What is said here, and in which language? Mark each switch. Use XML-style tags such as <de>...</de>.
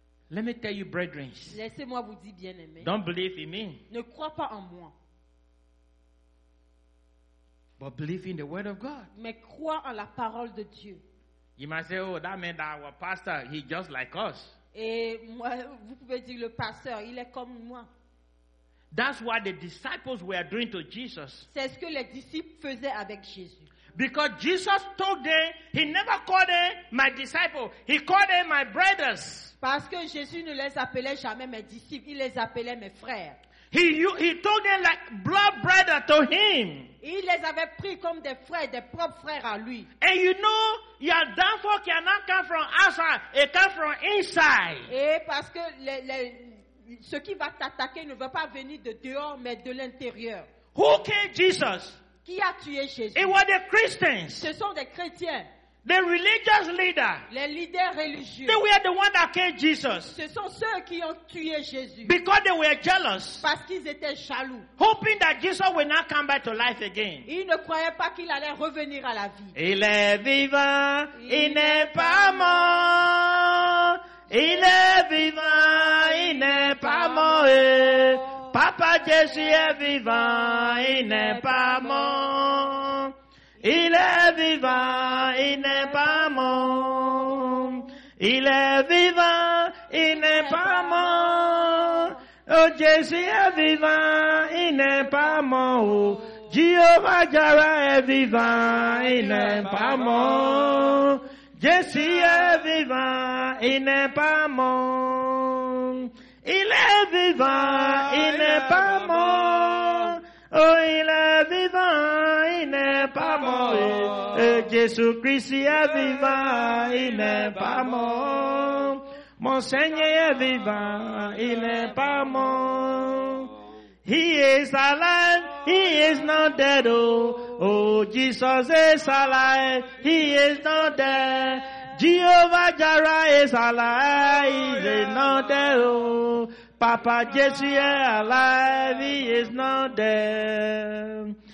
<en>Let me tell you, brethren.</en> <fr>Laissez-moi vous dire, bien-aimé.</fr> <en>Don't believe in me.</en> <fr>Ne crois pas en moi.</fr> <en>But believe in the word of God.</en> <fr>Mais crois en la parole de Dieu.</fr> <en>You might say, oh, that means that our pastor, he just like us.</en> <fr>Et moi, vous pouvez dire, le pasteur, il est comme moi.</fr> <en>That's what the disciples were doing to Jesus.</en> <fr>C'est ce que les disciples faisaient avec Jésus.</fr> <en>Because Jesus told them, he never called them my disciples. He called them my brothers.</en> <fr>Parce que Jésus ne les appelait jamais mes disciples, il les appelait mes frères.</fr> <en>He told them like blood brother to him.</en> <fr>Il les avait pris comme des frères, des propres frères à lui.</fr> <en>And you know, your downfall cannot come from outside, it comes from inside.</en> <fr>Et parce que ce qui va t'attaquer ne va pas venir de dehors, mais de l'intérieur.</fr> <en>Who killed Jesus?</en> <fr>Qui a tué Jésus?</fr> <en>It was the Christians.</en> <fr>Ce sont des chrétiens.</fr> <en>The religious leader.</en> <fr>Les leaders religieux.</fr> <en>They were the ones that killed Jesus.</en> <fr>Ce sont ceux qui ont tué Jésus.</fr> <en>Because they were jealous.</en> <fr>Parce qu'ils étaient jaloux.</fr> <en>Hoping that Jesus would not come back to life again.</en> <fr>Ils ne croyaient pas qu'il allait revenir à la vie. Il est vivant. Il n'est pas mort. Il est vivant. Il n'est pas mort. Papa Jésus est vivant. Il n'est pas mort. Il est vivant, il n'est pas mort. Il est vivant, il n'est pas mort. Oh, Jésus est vivant, il n'est pas mort. Jéhovah Jireh est vivant, il n'est pas mort. Jésus est vivant, il n'est pas mort. Il est vivant, il n'est pas mort. Oh, il est vivant, il n'est pas mort. Jésus-Christ est vivant, il n'est pas mort. Mon Seigneur est vivant, il n'est pas mort.</fr> <en>He is alive, he is not dead. Oh, oh, Jesus is alive, he is not dead. Jehovah Jireh is alive, he is not dead. Oh, Papa Jesus is alive, he is not dead.</en>